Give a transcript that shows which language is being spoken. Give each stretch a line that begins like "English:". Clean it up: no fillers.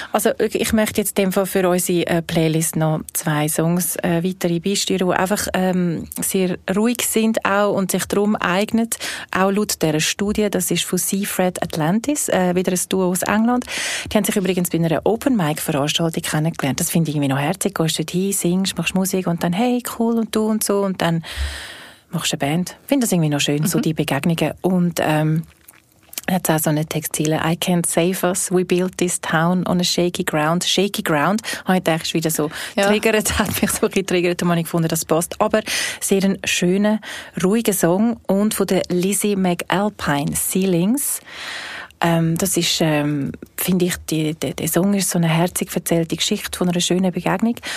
German: Also ich möchte jetzt für unsere Playlist noch zwei Songs weitere beisteuern, die einfach sehr ruhig sind auch und sich darum eignen, auch laut dieser Studie, das ist von Seafred Atlantis, wieder ein Duo aus England. Die haben sich übrigens bei einer Open-Mic-Veranstaltung kennengelernt. Das finde ich irgendwie noch herzig. Gehst dort hin, singst, machst Musik und dann hey, cool und du und so und dann machst du eine Band. Ich finde das irgendwie noch schön, so die Begegnungen. Und hat auch so eine Textzeile.
English: I can't save us, we built this town on a shaky ground. Shaky ground,
German: habe ich gedacht, wieder so triggert, hat mich so getriggert und ich gefunden, das passt. Aber sehr ein schöner, ruhiger Song und von der Lizzie McAlpine, Ceilings. Das ist, finde ich, der Song ist so eine herzig verzählte Geschichte von einer schönen Begegnung.